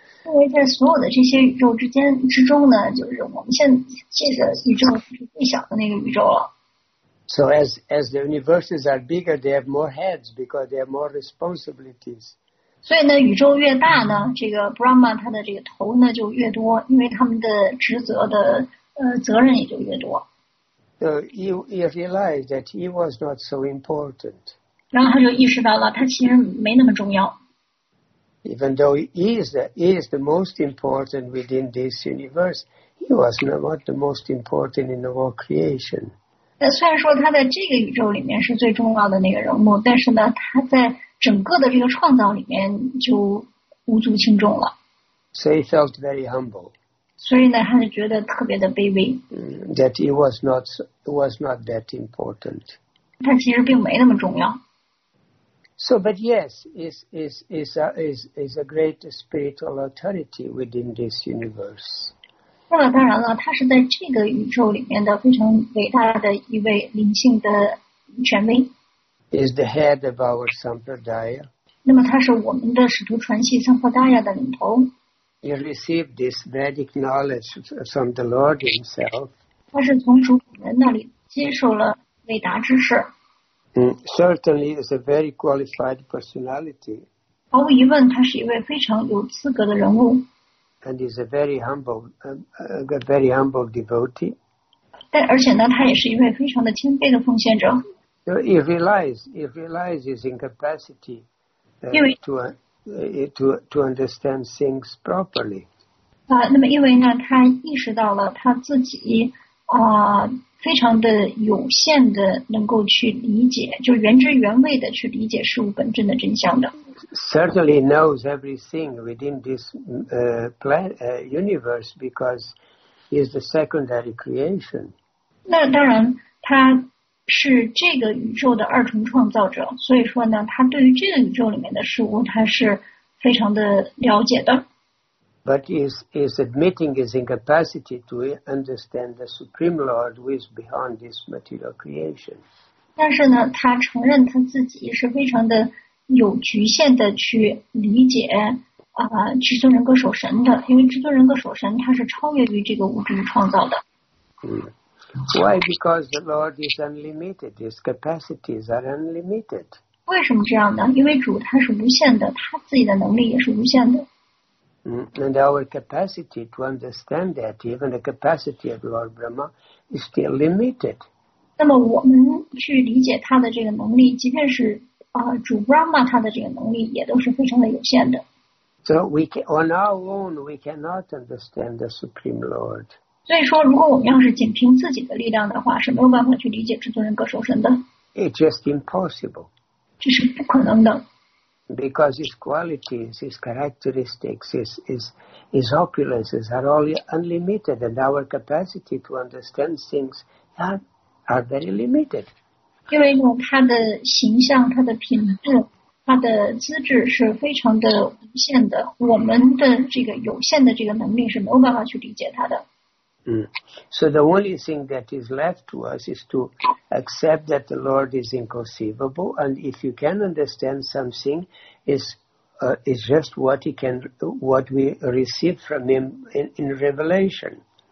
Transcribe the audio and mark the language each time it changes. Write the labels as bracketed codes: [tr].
[zh] 因为在所有的这些宇宙之中呢，就是我们现在这个宇宙是最小的那个宇宙了。 [en] So as the universes are bigger, they have more heads because they have more responsibilities. [zh] 所以呢，宇宙越大呢，这个 Brahma 他的这个头呢就越多，因为他们的职责的责任也就越多。 [en] So he realized that he was not so important. [zh] 然后他就意识到了，他其实没那么重要。 [en] Even though he is the most important within this universe, he was not the most important in the whole creation. [zh] 虽然说他在这个宇宙里面是最重要的那个人物，但是呢，他在整个的这个创造里面就无足轻重了。 [en] So he felt very humble. [zh] 所以呢，他就觉得特别的卑微。 [en] That he was not that important. [zh] 他其实并没那么重要。 [en] So, but yes, is a great spiritual authority within this universe. [zh] 那当然了，他是在这个宇宙里面的非常伟大的一位灵性的权威。 [en] Is the head of our sampradaya. [zh] 那么他是我们的使徒传系sampradaya的领头。 [en] He received this Vedic knowledge from the Lord himself. [zh] 他是从主本人那里接受了伟达知识。 [en] Certainly is a very qualified personality. [zh] 毫无疑问，他是一位非常有资格的人物。 [en] And is a very humble, a very humble devotee. [zh] 但而且呢，他也是一位非常的谦卑的奉献者。 [en] So he realizes his incapacity to understand things properly. [zh] 那么因为呢，他意识到了他自己非常的有限的能够去理解，就原汁原味的去理解事物本真的真相的。 [en] Certainly knows everything within this universe because he is the secondary creation. [zh] 那当然，他是这个宇宙的二重创造者，所以说呢，他对于这个宇宙里面的事物，他是非常的了解的。 [en] But is admitting his incapacity to understand the Supreme Lord who is behind this material creation. [zh] 但是呢，他承认他自己是非常的。有局限的去理解至尊人格守神的，因为至尊人格守神它是超越于这个物质创造的。 [en] Why? Because the Lord is unlimited. His capacities are unlimited. [zh] 为什么这样呢？因为主他是无限的，他自己的能力也是无限的。 [en] And our capacity to understand that, even the capacity of Lord Brahma, is still limited. [zh] 那么我们去理解他的这个能力，即便是主 Brahma 他的这个能力也都是非常的有限的。 [en] So we can, on our own, we cannot understand the Supreme Lord. [zh] 所以说，如果我们要是仅凭自己的力量的话，是没有办法去理解至尊人格受身的。 [en] It's just impossible. [zh] 这是不可能的。 [en] Because his qualities, his characteristics, his opulences are all unlimited, and our capacity to understand things are very limited. So the only thing that is left to us is to accept that the Lord is inconceivable, and if you can understand something, is just what he can, what we receive from him in revelation.